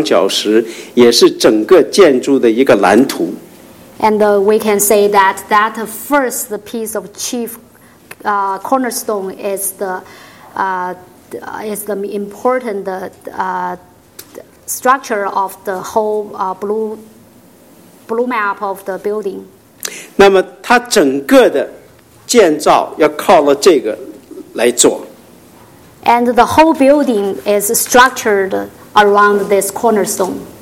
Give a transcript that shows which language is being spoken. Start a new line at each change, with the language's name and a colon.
Chinese: 所以换句话说，这一块头脚头块的防脚石也是整个建筑的一个蓝图。
English: And we can say that that first the piece of chief cornerstone is the important structure of the whole blue map of the building.
Chinese: 那么它整个的建造要靠了这个来做。
English: And the whole building is structured around this cornerstone.